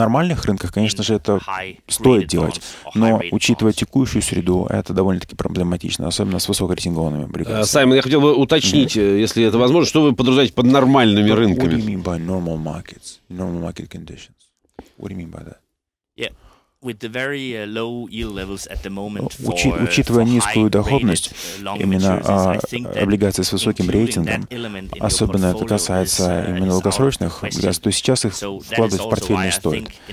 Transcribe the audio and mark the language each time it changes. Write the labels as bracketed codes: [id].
[ru] нормальных рынках, конечно же, это стоит делать, но учитывая текущую среду, это довольно-таки проблематично, особенно с высокорейтингованными облигациями. Саймон, я хотел бы уточнить, если это возможно, что вы подразумеваете под нормальными рынками? [en] What do you mean by normal markets, normal market conditions? What do you mean by that? Yeah. With the very low yield levels at the moment for, [ru] учитывая низкую доходность именно облигаций с высоким рейтингом, особенно это касается именно долгосрочных облигаций, то сейчас их вкладывать в портфель не стоит.